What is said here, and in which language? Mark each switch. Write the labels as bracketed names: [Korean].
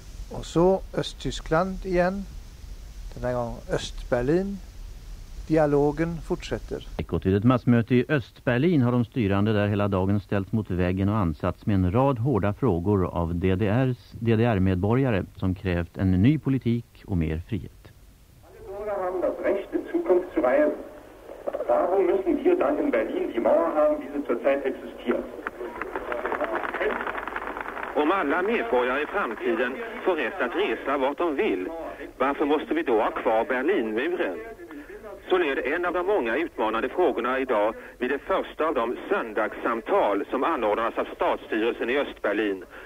[Swedish] Och så Östtyskland igen, den här gången Östberlin. Dialogen fortsätter. Till ett massmöte i Östberlin har de styrande där hela dagen ställt mot väggen och ansatts med en rad hårda frågor av DDR-medborgare som krävt en ny politik och mer frihet. [German] Alla bürger haben das Recht in Zukunft zu wählen. Warum müssen wir dann in Berlin die Mauer haben, die sie zurzeit existiert? [Swedish] Om alla medborgare i framtiden får rätt att resa vart de vill, varför måste vi då ha kvar Berlinmuren? Så led en av de många utmanande frågorna idag vid det första av de söndagssamtal som anordnas av statsstyrelsen i Östberlin.